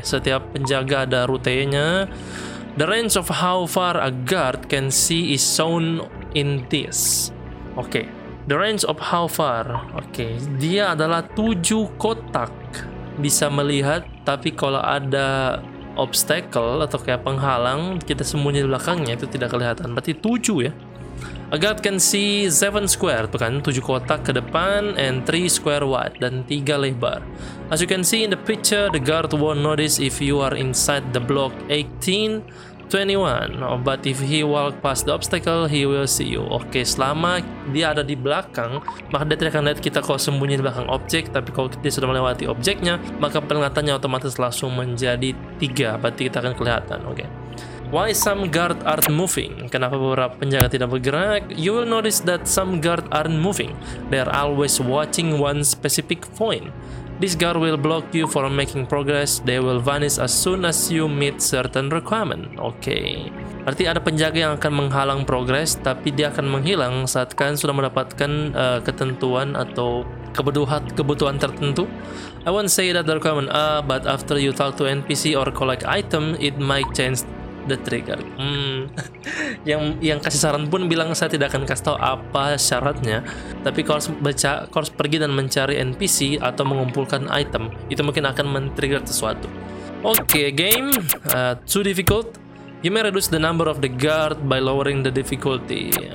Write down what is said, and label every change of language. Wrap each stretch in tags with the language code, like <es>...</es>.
<id>Setiap penjaga ada rutenya.</id> <en>The range of how far a guard can see is shown in this. Oke. The range of how far. Oke.</en> <id>Dia adalah 7 kotak bisa melihat, tapi kalau ada obstacle atau kayak penghalang, kita sembunyi di belakangnya, itu tidak kelihatan. Berarti 7 ya.</id> <en>A guard can see 7 square,</en> <id>bukan 7 kotak ke depan</id> <en>and 3 square wide</en> <id>dan 3 lebar.</id> <en>As you can see in the picture, the guard won't notice if you are inside the block 1821, but if he walk past the obstacle, he will see you.</en> <id>Oke, selama dia ada di belakang, maka dia tidak akan lihat kita kalau sembunyi di belakang objek. Tapi kalau dia sudah melewati objeknya, maka penglihatannya otomatis langsung menjadi 3. Berarti kita akan kelihatan. Oke.</id> <en>Why some guard aren't moving?</en> <id>Kenapa beberapa penjaga tidak bergerak?</id> <en>You will notice that some guard aren't moving. They are always watching one specific point. This guard will block you from making progress. They will vanish as soon as you meet certain requirement. Okay.</en> <id>Berarti ada penjaga yang akan menghalang progres, tapi dia akan menghilang saat kalian sudah mendapatkan ketentuan atau kebutuhan tertentu.</id> <en>I won't say that the requirement but after you talk to NPC or collect item, it might change the trigger.</en> <id>yang kasih saran pun bilang saya tidak akan kasih tahu apa syaratnya. Tapi kalau harus pergi dan mencari NPC atau mengumpulkan item, itu mungkin akan men-trigger sesuatu.</id> <en>Okay, game too difficult. You may reduce the number of the guard by lowering the difficulty.</en>